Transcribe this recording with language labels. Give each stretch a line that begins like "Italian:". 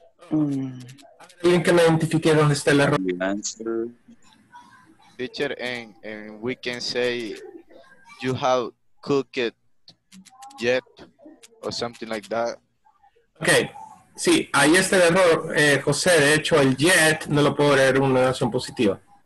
Spanish: ¿Alguien que me identifique dónde está el error?
English: Teacher, and we can say you have cooked it yet or something like that.
Spanish: Okay, sí, ahí está el error, José. De hecho, el yet no lo puedo leer una negación positiva.